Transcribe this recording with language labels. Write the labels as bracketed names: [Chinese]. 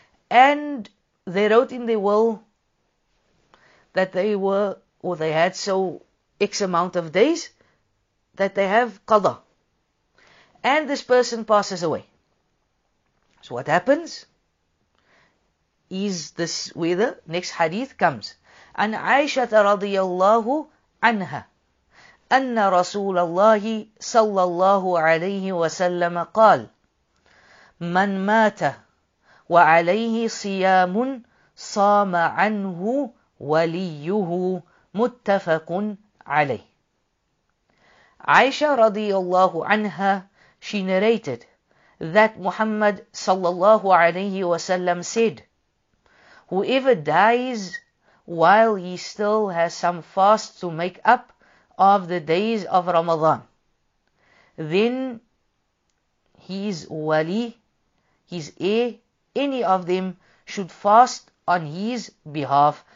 [English] And they wrote in their will that they were, or they had so X amount of days, that they have qada. And this person passes away. So what happens? Is this where the next hadith comes? [Arabic] عن عائشة رضي الله عنها أن رسول الله صلى الله عليه وسلم قال من مات وعليه صيام صام عنه وليه متفق عليه. [English] Aisha radiyallahu anha, she narrated that Muhammad sallallahu alayhi wasallam said, whoever dies while he still has some fast to make up of the days of Ramadan, then his wali, his heir, any of them should fast on his behalf.